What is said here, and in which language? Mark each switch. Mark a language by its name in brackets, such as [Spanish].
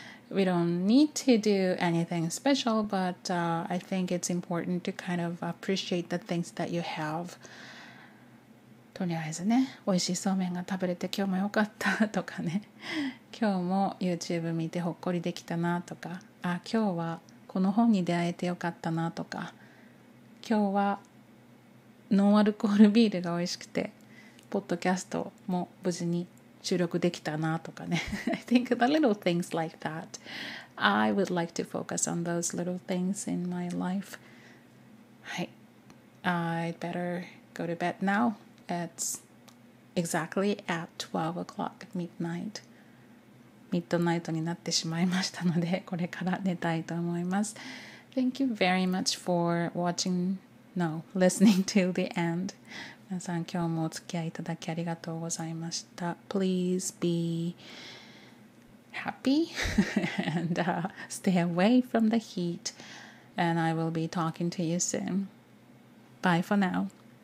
[English] We don't need to do anything special, but I think it's important to kind of appreciate the things that you have. [Japanese] とりあえずね、美味しいそうめんが食べれて今日も良かったとかね、今日も YouTube 見てほっこりできたなとか、あ、今日はこの本に出会えて良かったなとか、今日はノンアルコールビールが美味しくてポッドキャストも無事に収録できたなとかね。 [English] I think the little things like that. I would like to focus on those little things in my life. [Japanese] はい、 [English] I'd better go to bed nowIt's exactly at 12 o'clock midnight. [Japanese] Midnight になってしまいましたので、これから寝たいと思います。 [English] Thank you very much for watching, no, listening till the end. [Japanese] 皆さん、今日もお付き合いいただきありがとうございました。 [English] Please be happy and stay away from the heat. And I will be talking to you soon. Bye for now.